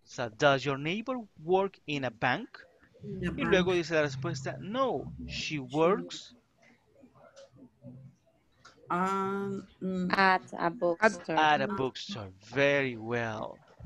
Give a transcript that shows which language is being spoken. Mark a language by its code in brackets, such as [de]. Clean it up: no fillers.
[en] So, does your neighbor work in a bank? [es] Y luego dice la respuesta, no, [en] she works. At a bookstore. At a bookstore, very well.